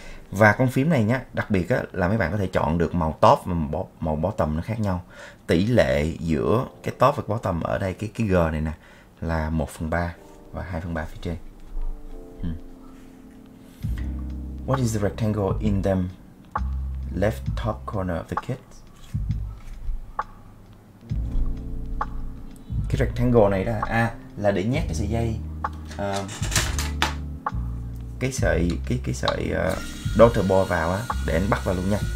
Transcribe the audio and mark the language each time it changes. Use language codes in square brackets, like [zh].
[vi] Và con phím này nhá, đặc biệt á, là mấy bạn có thể chọn được màu top và màu bottom nó khác nhau. Tỷ lệ giữa cái top và bottom ở đây, cái G này nè, là 1/3 và 2/3 phía trên. [en] What is the rectangle in the left top corner of the kit? [vi] Cái rectangle này là để nhét cái sợi dây. Cái sợi daughter ball vào á, để anh bắt vào luôn nha.